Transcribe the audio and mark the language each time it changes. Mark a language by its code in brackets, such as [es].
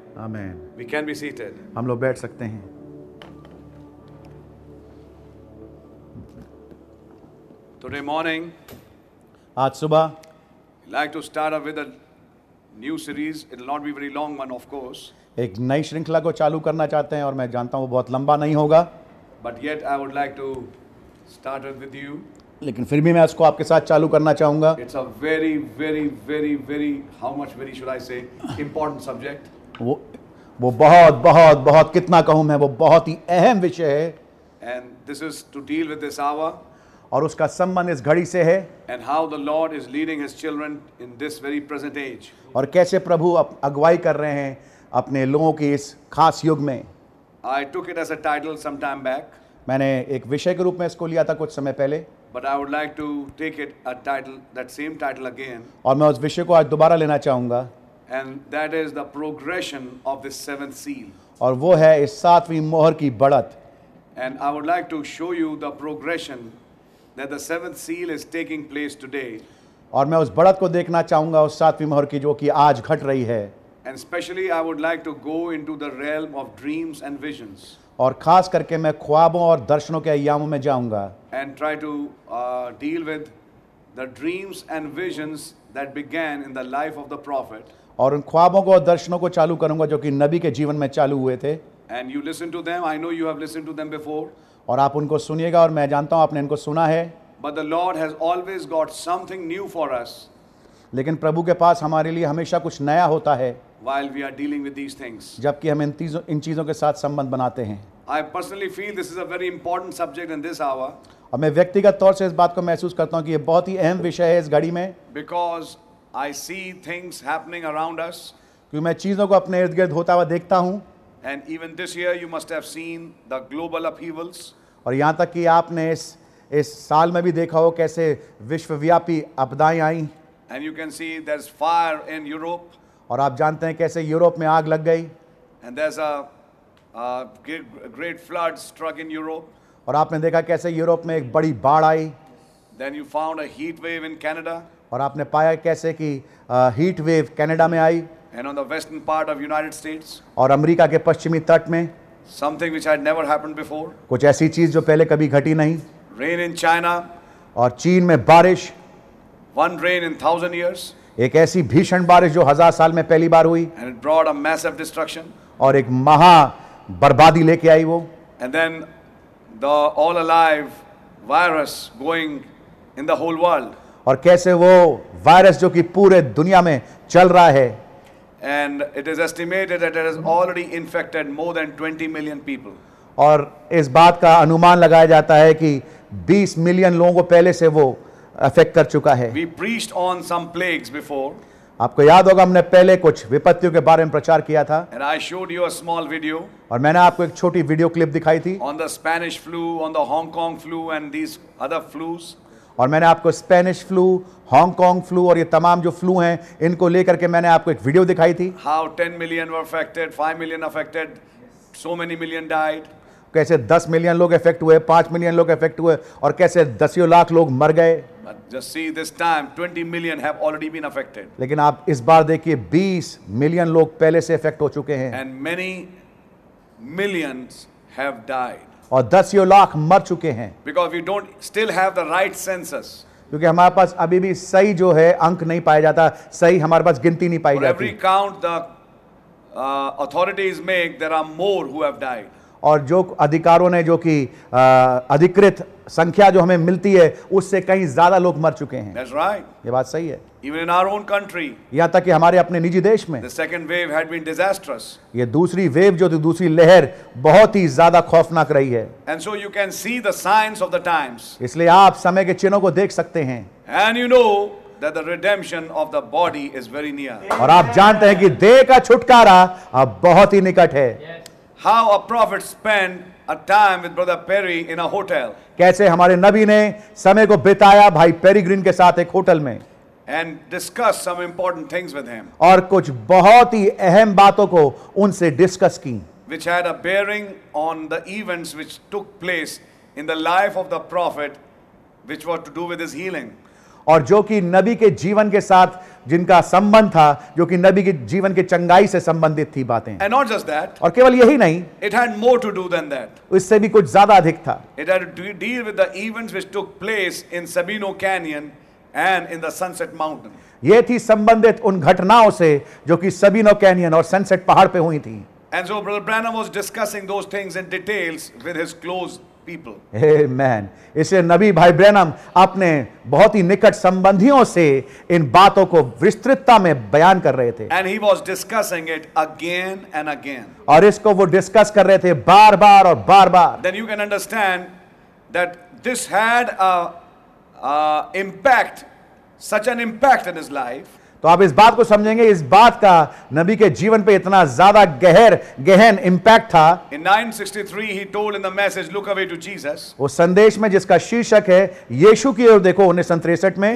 [en] Amen. We can be seated. [hi] हम लोग बैठ सकते हैं. [en] Today morning, [hi] आज सुबह, [en] like to start up with a new series. It'll not be very long one, of course. [hi] एक नई श्रृंखला को चालू करना चाहते हैं और मैं जानता हूँ वो बहुत लंबा नहीं होगा. [en] But yet I would like to start up with you. [hi] लेकिन फिर भी मैं इसको आपके साथ चालू करना चाहूँगा. [en] It's a very, very, very, very, how much very should I say, important subject. [hi] वो बहुत, बहुत, बहुत कितना कहूँ मैं वो बहुत ही अहम विषय है. [en] And this is to deal with this hour. [hi] और उसका संबंध इस घड़ी से है. [en] And how the Lord is leading his children in this very present age. [hi] और कैसे प्रभु अगुवाई कर रहे हैं अपने लोगों की इस खास युग में. [en] I took it as a title some time back. [hi] मैंने एक विषय के रूप में इसको लिया था कुछ समय पहले. [en] But I would like to take it a title, that same title again. [hi] और मैं उस विषय को आज दोबारा लेना चाहूंगा. [en] And that is the progression of this seventh seal. [hi] और वो है इस सातवीं मोहर की बढ़त. [en] And I would like to show you the progression that the seventh seal is taking place today. [hi] और मैं उस बढ़त को देखना चाहूंगा उस सातवीं मोहर की जो कि आज घट रही है. [en] And especially I would like to go into the realm of dreams and visions. [hi] और खास करके मैं ख्वाबों और दर्शनों के अय्यामों में जाऊंगा. [en] And try to deal with the dreams and visions that began in the life of the prophet. [hi] और उन ख्वाबों को और दर्शनों को चालू करूंगा जो कि नबी के जीवन में चालू हुए थे. [en] And you listen to them, I know you have listened to them before. [hi] और आप उनको सुनिएगा और मैं जानता हूं आपने इनको सुना है. [en] But the Lord has always got something new for us. [hi] लेकिन प्रभु के पास हमारे लिए हमेशा कुछ नया होता है. [en] While we are dealing with these things. [hi] जबकि हम इन चीजों के साथ संबंध बनाते हैं. [en] I personally feel this is a very important subject in this hour. [hi] और मैं व्यक्तिगत तौर से इस बात को महसूस करता हूं कि ये बहुत ही अहम विषय है इस घड़ी में. [en] Because I see things happening around us. [hi] क्योंकि मैं चीजों को अपने इर्द-गिर्द होता हुआ देखता हूं. [en] And even this year you must have seen the global upheavals. [hi] और यहाँ तक कि आपने इस साल में भी देखा हो कैसे विश्वव्यापी आपदाएं आईं. [en] And you can see there's fire in Europe. [hi] और आप जानते हैं कैसे यूरोप में आग लग गई. [en] And there's a great flood struck in Europe. [hi] और आपने देखा कैसे यूरोप में एक बड़ी बाढ़ आई. [en] Then you found a heat wave in Canada. [hi] और आपने पाया कैसे कि heat wave कनाडा में आई. [en] And on the western part of United States. [hi] और अमेरिका के पश्चिमी तट में. [en] Something which had never happened before. [hi] कुछ ऐसी चीज जो पहले कभी घटी नहीं. [en] Rain in China. [hi] और चीन में बारिश. [en] One rain in 1,000 years. [hi] एक ऐसी भीषण बारिश जो हजार साल में पहली बार हुई. [en] And it brought a massive destruction. [hi] और एक महा बर्बादी लेके आई वो. [en] And then the all alive virus going in the whole world. [hi] और कैसे वो वायरस जो कि पूरे दुनिया में चल रहा है. [en] And it is estimated that it has already infected more than 20 million people. [hi] और इस बात का अनुमान लगाया जाता है कि 20 मिलियन लोगों को पहले से वो अफेक्ट कर चुका है. [en] We preached on some plagues before. [hi] आपको याद होगा हमने पहले कुछ विपत्तियों के बारे में प्रचार किया था. [en] And I showed you a small video. [hi] और मैंने आपको एक छोटी वीडियो क्लिप दिखाई थी. [en] On the Spanish flu, on the Hong Kong flu and these other flus. [hi] और मैंने आपको स्पेनिश फ्लू, हांगकांग फ्लू और ये तमाम जो फ्लू हैं, इनको लेकर के मैंने आपको एक वीडियो दिखाई थी. [en] How 10 million were affected, 5 million affected, so many million died. [hi] कैसे 10 मिलियन लोग अफेक्ट हुए, 5 मिलियन लोग अफेक्ट हुए और कैसे दसियों लाख लोग मर गए. [en] But just see this time, 20 million have already been affected. [hi] लेकिन आप इस बार देखिए 20 मिलियन लोग पहले से अफेक्ट हो चुके हैं. [en] And many millions have died. [hi] और दसियों लाख मर चुके हैं. [en] Because we don't still have the right census. [hi] क्योंकि हमारे पास अभी भी सही जो है अंक नहीं पाया जाता, सही हमारे पास गिनती नहीं पाई जाती. [en] For every count the authorities make, there are more who have died. [hi] और जो अधिकारों ने जो कि अधिकृत संख्या जो हमें मिलती है उससे कहीं ज्यादा लोग मर चुके हैं. [en] That's right. [hi] ये बात सही है. [en] Even in our own country, [hi] यहां तक कि हमारे अपने निजी देश में [en] the second wave had been disastrous. [hi] ये दूसरी वेव जो थी, दूसरी लहर बहुत ही ज्यादा खौफनाक रही है. [en] And so you can see the signs of the times. [hi] इसलिए आप समय के चिन्हों को देख सकते हैं. [en] And you know that the redemption of the body is very near. [hi] और आप जानते हैं कि देह का छुटकारा अब बहुत ही निकट है. [en] Yes. How a prophet spent a time with Brother Perry in a hotel. [hi] कैसे हमारे नबी ने समय को बिताया भाई पेरी ग्रीन के साथ एक होटल में. [en] And discussed some important things with him. [hi] और कुछ बहुत ही अहम बातों को उनसे डिस्कस की. [en] Which had a bearing on the events which took place in the life of the prophet, which were to do with his healing. [hi] और जो कि नबी के जीवन के साथ जिनका संबंध था, जो कि नबी के जीवन के चंगाई से संबंधित थी बातें. [en] And not just that, [hi] और केवल यही नहीं, [en] it had more to do than that. [hi] इससे भी कुछ ज्यादा अधिक था. [en] It had to deal with the events which took place in Sabino Canyon and in the Sunset Mountain. [hi] ये थी संबंधित उन घटनाओं से जो कि सबिनो कैनियन और सनसेट पहाड़ पे हुई थी. [en] And so Brother Branham was discussing those things in details with his close people. Amen. [hi] इसे नबी भाई ब्रैनम अपने बहुत ही निकट संबंधियों से इन बातों को विस्तृतता में बयान कर रहे थे. [en] And he was discussing it again and again. [hi] और इसको वो डिस्कस कर रहे थे बार बार और बार बार. [en] Then you can understand that this had a impact, such an impact in his life. [hi] तो आप इस बात को समझेंगे, इस बात का नबी के जीवन पे इतना ज्यादा गहन इम्पैक्ट था. [en] In 963 he told in the message, look away to Jesus. [hi] वो संदेश में जिसका शीर्षक है यीशु की ओर देखो, 963 में.